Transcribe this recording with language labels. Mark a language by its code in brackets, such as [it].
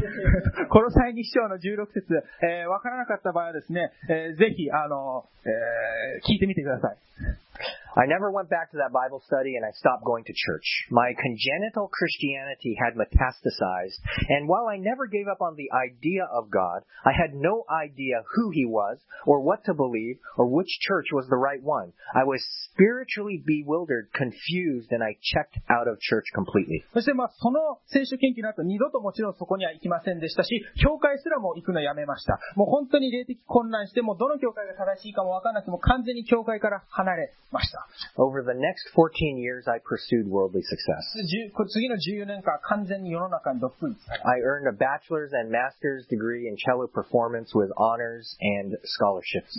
[ja] この際に師匠の16節、わからなかった場合はですね、ぜひ、聞いてみてください。 [en] I never went back to that Bible study and I stopped going to church. My congenital Christianity had metastasized, and while I never gave up on the idea of God, I had no idea who He was, or what to believe, or which church was the right one. I was spiritually bewildered, confused, and I checked out of church completely. [ja] そして、まあ、その聖書研究の後、二度ともちろんそこには行きませんでしたし、教会すらも行くのやめました。もう本当に霊的混乱して、もうどの教会が正しいかもわからなくて、もう完全に教会から離れました。 [en] Over the next 14 years, I pursued worldly success. [ja] 次の14年間、完全に世の中にどっぷり。 [en] I earned a bachelor's and master's degree in cello performance with honors and scholarships.